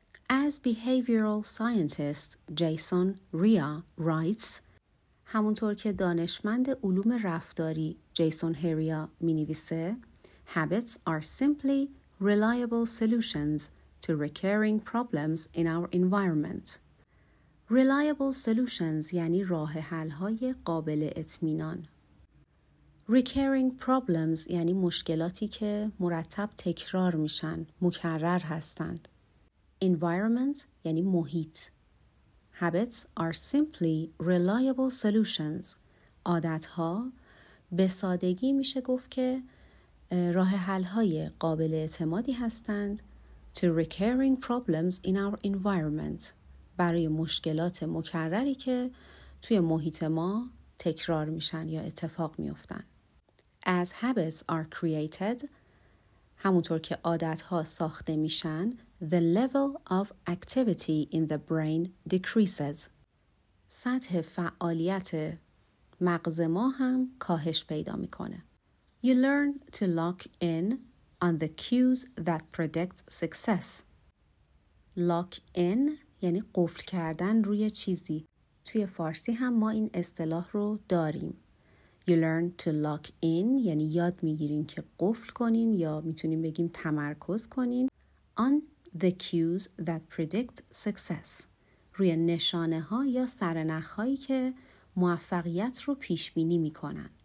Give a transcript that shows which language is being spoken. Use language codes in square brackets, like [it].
[en] As behavioral scientist Jason Rea writes، [fa] همونطور که دانشمند علوم رفتاری جیسون هریا می‌نویسه، [en] habits are simply reliable solutions to recurring problems in our environment. [fa] Reliable solutions یعنی راه حل‌های قابل اطمینان. Recurring problems یعنی مشکلاتی که مرتب تکرار میشن، مکرر هستند. Environment یعنی محیط. [en] Habits are simply reliable solutions. [fa] عادت‌ها به سادگی میشه گفت که راه حل‌های قابل اعتمادی هستند [en] to recurring problems in our environment، [fa] برای مشکلات مکرری که توی محیط ما تکرار میشن یا اتفاق میفتن. [en] As habits are created، [fa] همونطور که عادت‌ها ساخته میشن، [en] the level of activity in the brain decreases. [fa] سطح فعالیت مغز ما هم کاهش پیدا میکنه. [en] You learn to lock in on the cues that predict success. [fa] Lock in یعنی قفل کردن روی چیزی. توی فارسی هم ما این اصطلاح رو داریم. [en] You learn to lock in [fa] یعنی یاد میگیرین که قفل کنین یا میتونیم بگیم تمرکز کنین. [en] On the cues that predict success، [fa] روی نشانه ها یا سرنخ هایی که موفقیت رو پیش بینی می کنن.